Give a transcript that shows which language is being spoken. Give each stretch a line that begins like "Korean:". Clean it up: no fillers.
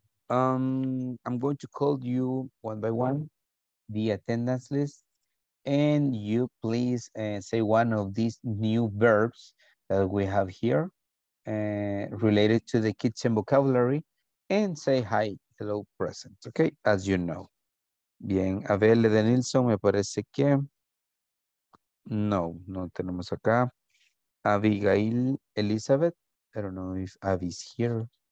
English: I'm going to call you one by one, the attendance list, and you please say one of these new verbs that we have here related to the kitchen vocabulary and say hi. Hello, present. Okay, as you know.
Spanish: Bien, Abel de Nilsson, me parece que no, no tenemos acá.
English: Abigail Elizabeth, I don't know if Abby's here.